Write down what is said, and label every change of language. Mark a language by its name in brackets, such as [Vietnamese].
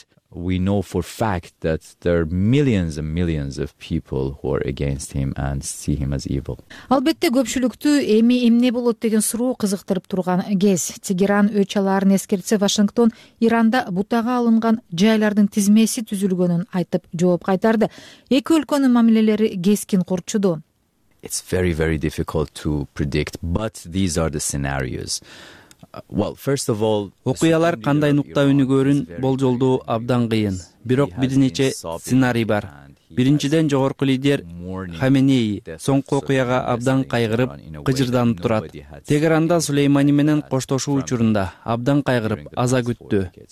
[English] We know for fact that there are millions and millions of people who are against him and see him as evil. [Kyrgyz] Албетте көпчүлүктү эми эмне болот деген суроо кызыктырып турган кез. Тегеран өч аларын эскертсе, Вашингтон Иранда бутага алынган жайлардын тизмеси түзүлгөнүн айтып жооп кайтарды. Эки өлкөнүн мамилелери кескин курчуду. [English] It's very very difficult to predict, but these are the scenarios. Well, first of all, [Kyrgyz] окуялар кандай нукта өнүгөрүн болжолдоо абдан кыйын. Бирок бир нече сценарий бар. Биринчиден, жогорку лидер Хаменеи соңку окуяга абдан кайгырып, кыжырданып турат. Тегеранда Сулеймани менен коштошуу учурунда абдан кайгырып, аза күттү.